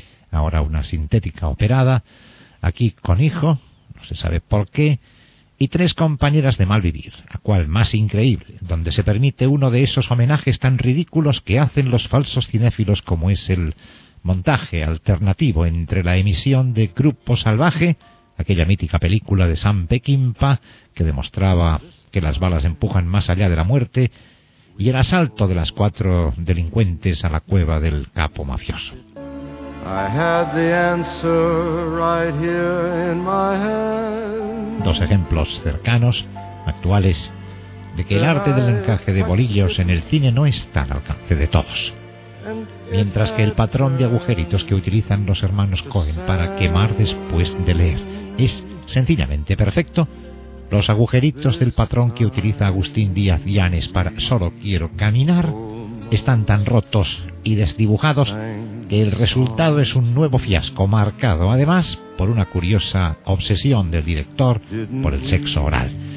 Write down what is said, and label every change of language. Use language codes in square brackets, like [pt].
[es] ahora una sintética operada, aquí con hijo, no se sabe por qué, y tres compañeras de mal vivir, la cual más increíble, donde se permite uno de esos homenajes tan ridículos que hacen los falsos cinéfilos, como es el montaje alternativo entre la emisión de Grupo Salvaje, aquella mítica película de Sam Peckinpah que demostraba que las balas empujan más allá de la muerte, y el asalto de las cuatro delincuentes a la cueva del capo mafioso. [en] I had the answer right here in my hand. [es] Dos ejemplos cercanos, actuales, de que el arte del encaje de bolillos en el cine no está al alcance de todos. Mientras que el patrón de agujeritos que utilizan los hermanos Cohen para quemar después de leer es sencillamente perfecto, los agujeritos del patrón que utiliza Agustín Díaz Llanes para Solo quiero caminar están tan rotos y desdibujados que el resultado es un nuevo fiasco, marcado además por una curiosa obsesión del director por el sexo oral.